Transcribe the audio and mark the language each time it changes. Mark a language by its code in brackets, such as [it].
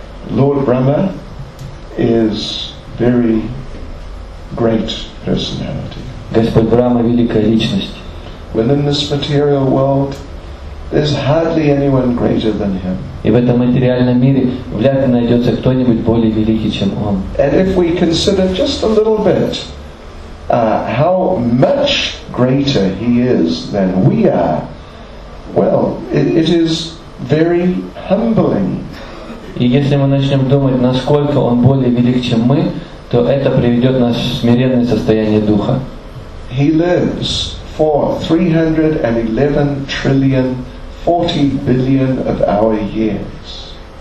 [en] Lord Brahma is very great personality. [ru] Господь Брама – великая личность. [en] Within this material world, there's hardly anyone greater than him. [ru] И в этом материальном мире вряд ли найдется кто-нибудь более великий, чем он. [en] And if we consider just a little bit how much greater he is than we are, well, it is very humbling. [ru] И если мы начнем думать, насколько он более велик, чем мы, то это приведет нас в смиренное состояние духа. [en] He lives for 311 trillion 40 billion of our years.